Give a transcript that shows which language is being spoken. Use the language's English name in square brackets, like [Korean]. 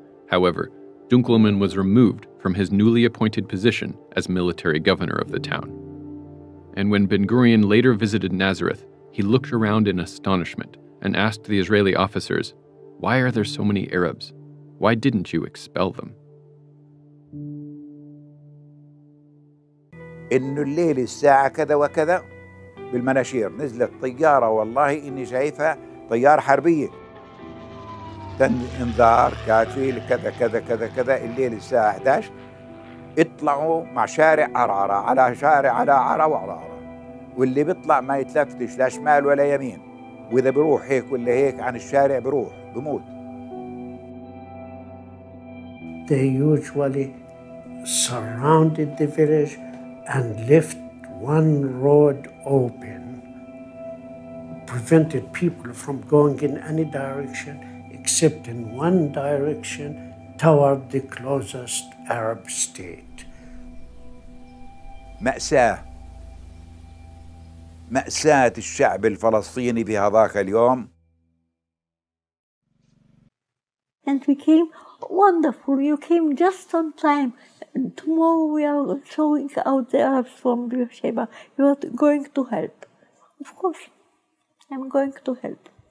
[English] However, Dunkelman was removed from his newly appointed position as military governor of the town. And when Ben-Gurion later visited Nazareth, he looked around in astonishment and asked the Israeli officers, "Why are there so many Arabs? Why didn't you expel them?" [Arabic] إنه الليل الساعة كذا وكذا بالمناشير نزلت طيارة والله إني شايفها طيارة حربية تن إنذار كاتفيل كذا كذا كذا كذا الليل الساعة 11 اطلعوا مع شارع عرارة على شارع على عرارة وعرارة واللي بيطلع ما يتلفتش لا شمال ولا يمين وإذا بروح هيك ولا هيك عن الشارع بروح بموت. [English] They usually surrounded the village and left one road open, prevented people from going in any direction except in one direction toward the closest Arab state. [Arabic] مأساة. مأساة الشعب الفلسطيني في هذاك اليوم. [English] And we came, wonderful, you came just on time. Tomorrow we are showing out the Arabs from Beersheba. You are going to help. Of course, I'm going to help.